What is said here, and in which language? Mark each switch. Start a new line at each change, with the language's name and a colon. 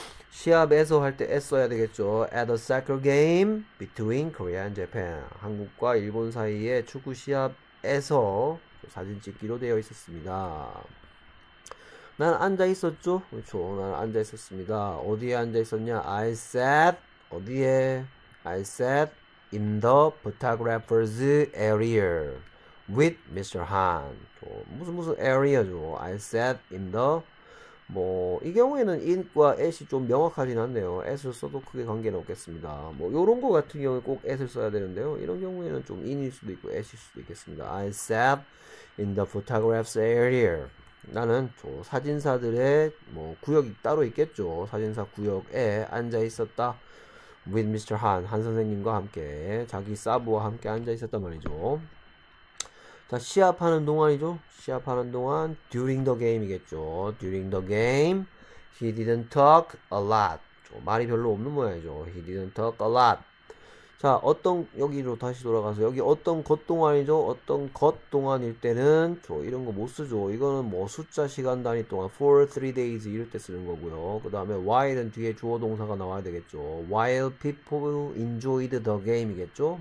Korean: 시합에서 할때 S 써야 되겠죠.
English: At a soccer game between Korea and Japan.
Korean: 한국과 일본 사이의 축구 시합에서 사진 찍기로 되어 있었습니다. 난 앉아 있었죠? 그렇죠. 난 앉아 있었습니다. 어디에 앉아 있었냐?
English: I sat,
Korean: 어디에?
English: I sat in the photographer's area with Mr.
Korean: Han. 무슨 area죠?
English: I sat in the
Korean: 뭐, 이 경우에는 in과 at이 좀 명확하진 않네요. at을 써도 크게 관계는 없겠습니다. 뭐, 요런 거 같은 경우에 꼭 at을 써야 되는데요. 이런 경우에는 좀 in일 수도 있고 at일 수도 있겠습니다.
English: I sat in the photographer's area.
Korean: 나는 저 사진사들의 뭐, 구역이 따로 있겠죠. 사진사 구역에 앉아 있었다.
English: with Mr. Han.
Korean: 한 선생님과 함께, 자기 사부와 함께 앉아 있었단 말이죠. 자, 시합하는 동안이죠. 시합하는 동안
English: during the game
Korean: 이겠죠.
English: during the game he didn't talk a lot.
Korean: 말이 별로 없는 모양이죠.
English: he didn't talk a lot.
Korean: 자, 어떤 여기로 다시 돌아가서 여기 어떤 것 동안이죠. 어떤 것 동안일 때는 저 이런 거못 쓰죠. 이거는 뭐 숫자 시간 단위 동안
English: for 3 days
Korean: 이럴 때 쓰는 거고요. 그 다음에 while은 뒤에 주어 동사가 나와야 되겠죠.
English: while people enjoyed the game
Korean: 이겠죠.